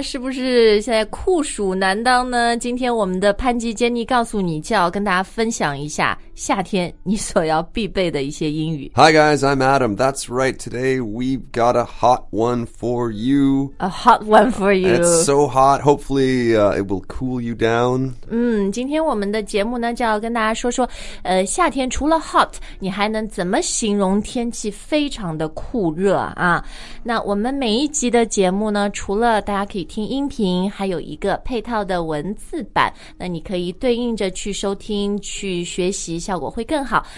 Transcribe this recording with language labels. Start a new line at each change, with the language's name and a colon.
Chinese: 是不是现在酷暑难当呢？今天我们的潘吉Jenny告诉你，就要跟大家分享一下夏天你所要必备的一些英语。
English: Hi guys, I'm Adam. That's right. Today we've got a hot one for you. A hot one for you. It's so hot. Hopefully, it will cool you down.
Chinese: 今天我们的节目呢，就要跟大家说说，夏天除了 hot， 你还能怎么形容天气非常的酷热啊？那我们每一集的节目呢，除了大家可以听音频，还有一个配套的文字版，那你可以对应着去收听去学习，效果会更好。